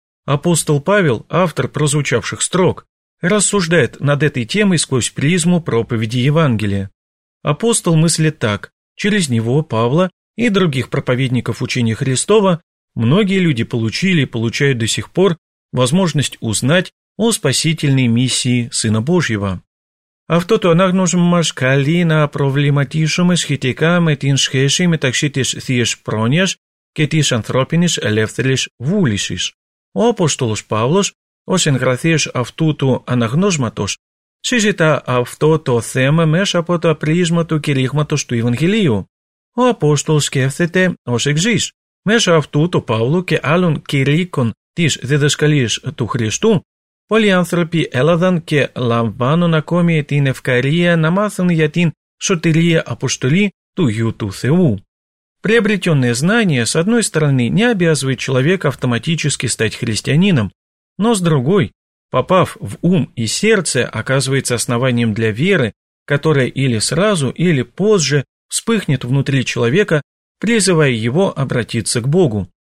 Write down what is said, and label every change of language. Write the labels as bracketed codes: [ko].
[ru] Апостол Павел, автор прозвучавших строк, рассуждает над этой темой сквозь призму проповеди Евангелия. Апостол мыслит так: через него, Павла и других проповедников учения Христова, многие люди получили и получают до сих пор возможность узнать о спасительной миссии Сына Божьего. [el] Αυτό το ανάγνωσμα μας καλεί να προβληματίσουμε σχετικά με την σχέση μεταξύ της θείας πρόνοιας και της ανθρώπινης ελεύθερης βούλησης. Ο Απόστολος Παύλος, ως εγγραφέας αυτού του αναγνώσματος, συζητά αυτό το θέμα μέσα από το πρίσμα του κηρύγματος του Ευαγγελίου. Ο Απόστολος σκέφτεται ως εξής: μέσα αυτού του Παύλου και άλλων κηρύκων της διδασκαλίας του Χριστού, πολλοί άνθρωποι έλαβαν και λαμβάνουν ακόμη την ευκαιρία να μάθουν για την σωτηρία αποστολή του Υιού του Θεού. [ru] Приобретенное знание, с одной стороны, не обязывает человека автоматически стать христианином, но с другой, попав в ум и сердце, оказывается основанием для веры, которая или сразу, или позже вспыхнет внутри человека, призывая его обратиться к Богу.